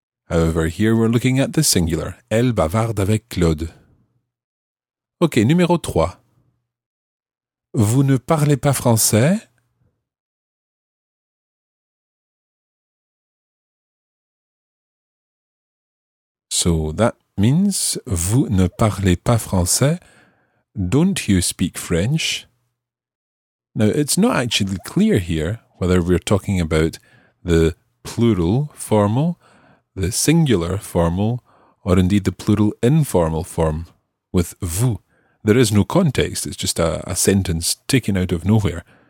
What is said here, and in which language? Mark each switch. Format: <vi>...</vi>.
<en>However, here we're looking at the singular.</en> <fr>Elle bavarde avec Claude. OK, numéro 3. Vous ne parlez pas français?</fr> <en>So that means,</en> <fr>vous ne parlez pas français?</fr> <en>Don't you speak French? Now, it's not actually clear here whether we're talking about the plural formal, the singular formal, or indeed the plural informal form with vous. There is no context, it's just a sentence taken out of nowhere.</en>